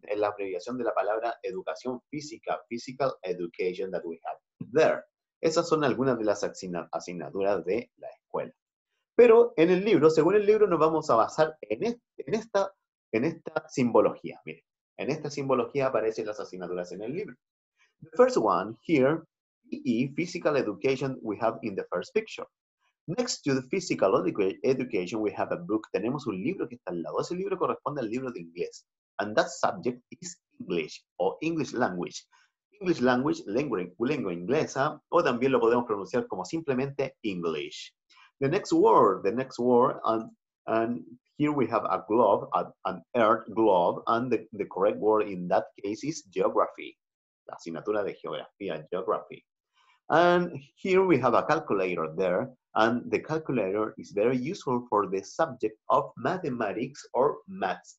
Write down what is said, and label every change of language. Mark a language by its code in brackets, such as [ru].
[es] Es la abreviación de la palabra educación física, [en] physical education that we have there. [es] Esas son algunas de las asignaturas de la escuela. Pero en el libro, según el libro, nos vamos a basar en esta simbología. Miren, en esta simbología aparecen las asignaturas en el libro. [en] The first one here, PE, physical education, we have in the first picture. Next to the physical education, we have a book. [es] Tenemos un libro que está al lado. Ese libro corresponde al libro de inglés. [en] And that subject is English, or English language. [es] English language, lengua inglesa, o también lo podemos pronunciar como simplemente English. [en] The next word, and here we have a globe, an earth globe, and the correct word in that case is geography. [es] La asignatura de geografía, [en] geography. And here we have a calculator there, and the calculator is very useful for the subject of mathematics or maths.